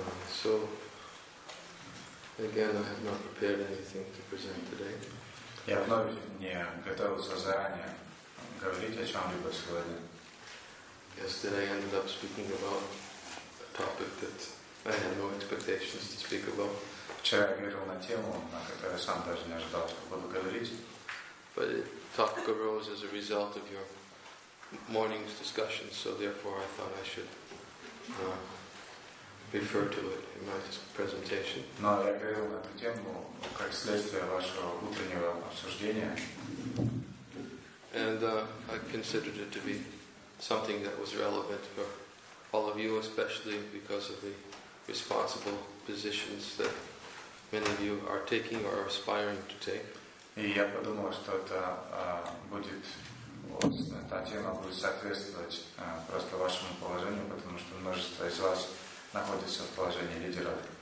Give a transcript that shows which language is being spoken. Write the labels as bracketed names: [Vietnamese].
[English] So, again, I have not prepared anything to present today. [Russian] Я вновь не готовился заранее говорить о чем-либо сегодня. [English] Yesterday I ended up speaking about a topic that I had no expectations to speak about. [Russian] Вчера я говорил на тему, на которую сам даже не ожидал, что буду говорить. [English] But the topic arose as a result of your morning's discussion, so therefore I thought I should refer to it in my presentation. [Russian] Но я говорил на эту тему как следствие вашего утреннего обсуждения. [English] And I considered it to be something that was relevant for all of you, especially because of the responsible positions that many of you are taking or are aspiring to take. [Russian] И я подумал, что это будет та тема будет соответствовать просто вашему положению, потому что множество из вас находится в положении лидера.